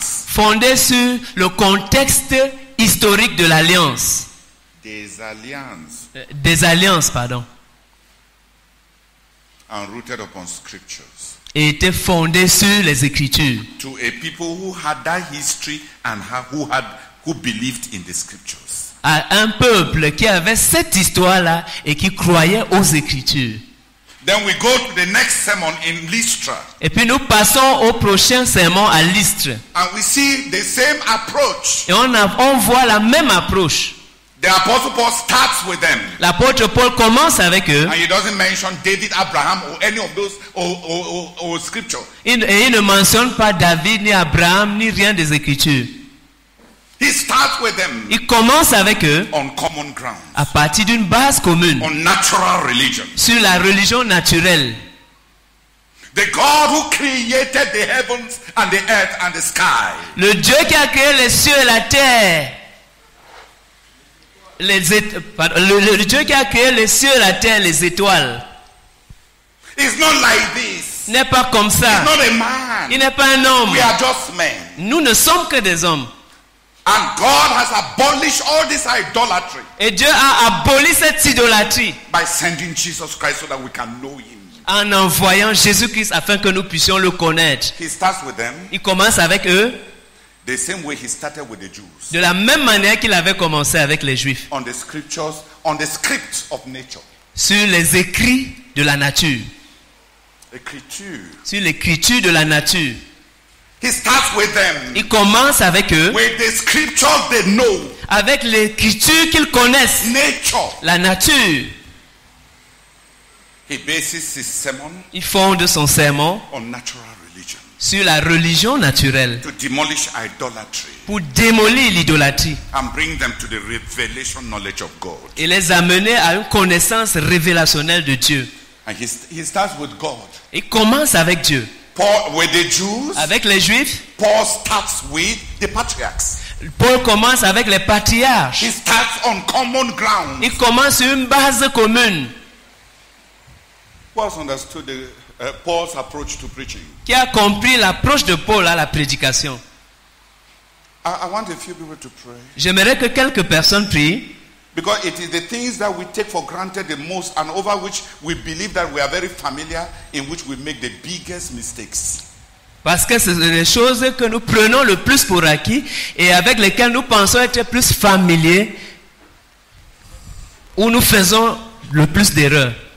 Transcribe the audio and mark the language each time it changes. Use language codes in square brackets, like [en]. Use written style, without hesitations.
[fr] Fondé sur le contexte historique de l'alliance. Des alliances. [en] And rooted upon scriptures. [fr] Et était fondé sur les écritures. [en] To a people who had that history and who believed in the scriptures. [fr] À un peuple qui avait cette histoire-là et qui croyait aux écritures. [en] Then we go to the next sermon in Lystra. [fr] Et puis nous passons au prochain sermon à Lystre. [en] And we see the same approach. [fr] Et on voit la même approche. [en] The Apostle Paul starts with them. [fr] L'apôtre Paul commence avec eux. [en] And he doesn't mention David, Abraham, or any of those or scripture. [fr] Et il ne mentionne pas David ni Abraham ni rien des écritures. [en] He starts with them. [fr] Il commence avec eux. [en] On common ground. [fr] À partir d'une base commune. [en] On natural religion. [fr] Sur la religion naturelle. [en] The God who created the heavens and the earth and the sky. [fr] Le Dieu qui a créé les cieux et la terre. Le Dieu qui a créé les cieux, la terre, les étoiles. [en] It's not like this. [fr] N'est pas comme ça. [en] It's not a man. [fr] Il n'est pas un homme. [en] We are just men. [fr] Nous ne sommes que des hommes. [en] And God has abolished all this idolatry. [fr] Et Dieu a aboli cette idolâtrie. [en] By sending Jesus Christ so that we can know him. [fr] En envoyant Jésus-Christ afin que nous puissions le connaître. [en] He starts with them. [fr] Il commence avec eux. [en] The same way he started with the Jews. [fr] De la même manière qu'il avait commencé avec les Juifs. [en] On the scriptures, on the script of nature. [fr] Sur les écrits de la nature. Écriture. Sur l'écriture de la nature. [en] He starts with them. [fr] Il commence avec eux. [en] With the scriptures they know. [fr] Avec l'écriture qu'ils connaissent. [en] Nature. [fr] La nature. [en] He bases his sermon. [fr] Il fonde son sermon. [en] On natural. [fr] Sur la religion naturelle. [en] To demolish idolatry. [fr] Pour démolir l'idolatrie. [en] And bring them to the revelation knowledge of God. [fr] Et les amener à une connaissance révélationnelle de Dieu. [en] And he starts with God. [fr] Il commence avec Dieu. [en] Paul, with the Jews. [fr] Avec les Juifs. [en] Paul starts with the patriarchs. [fr] Paul commence avec les patriarches. [en] He starts on common ground. [fr] Il commence sur une base commune. [en] Who has understood the Paul's approach to preaching. [fr] Qui a compris l'approche de Paul à la prédication? [en] I want a few people to pray. [fr] J'aimerais que quelques personnes prient. [en] Because it is the things that we take for granted the most and over which we believe that we are very familiar in which we make the biggest mistakes. [fr] Parce que ce sont les choses que nous prenons le plus pour acquis et avec lesquelles nous pensons être plus familiers où nous faisons le plus d'erreurs.